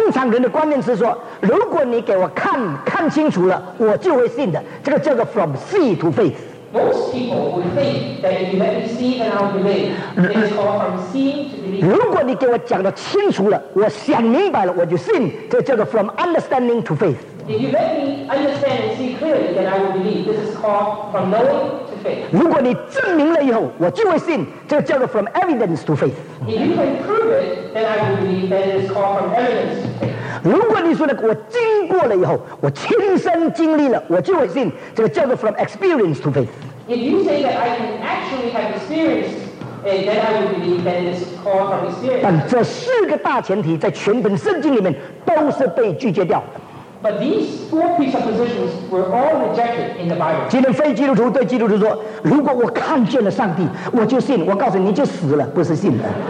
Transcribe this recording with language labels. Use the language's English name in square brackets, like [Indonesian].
[Chinese] 人的观念是说，如果你给我看看清楚了，我就会信的。这个叫做 [English] from see to faith。 Most people would think that if you let me see and I'll believe. It is called from seeing to believe. [Chinese] 如果你给我讲的清楚了，我想明白了，我就信。这个、叫做 [English] from understanding to faith. If you let me understand and see clearly, then I will believe. This is called from knowing to faith. [Chinese] 如果你证明了以后，我就会信。这个、叫做 [English] from evidence to faith. If you can prove it, then I will believe. That is called from evidence. [Chinese] 如果你说的我经过了以后，我亲身经历了，我就会信。这个叫做 [English] from experience to faith。 If you say that I can actually have experience, then I will believe that it's called from experience. [Chinese] 但这四个大前提在全本圣经里面都是被拒绝掉。 [English] But these four presuppositions were all rejected in the Bible. [Chinese] 今天非基督徒对基督徒说，如果我看见了上帝，我就信。我告诉你，就死了，不是信的。